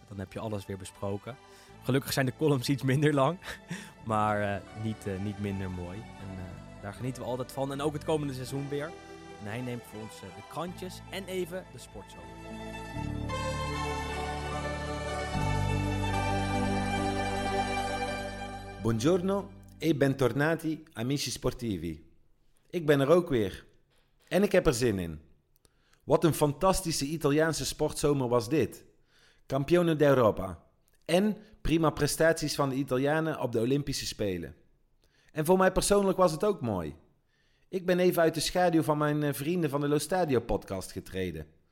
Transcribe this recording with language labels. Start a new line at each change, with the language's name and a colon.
Dutch: Dan heb je alles weer besproken. Gelukkig zijn de columns iets minder lang. Maar niet minder mooi. En daar genieten we altijd van. En ook het komende seizoen weer. En hij neemt voor ons de krantjes en even de sportshow.
Italian: Buongiorno e bentornati amici sportivi.
Dutch: Ik ben er ook weer. En ik heb er zin in. Wat een fantastische Italiaanse sportzomer was dit.
Italian: Campione d'Europa.
Dutch: En prima prestaties van de Italianen op de Olympische Spelen. En voor mij persoonlijk was het ook mooi. Ik ben even uit de schaduw van mijn vrienden van de Lo Stadio podcast getreden.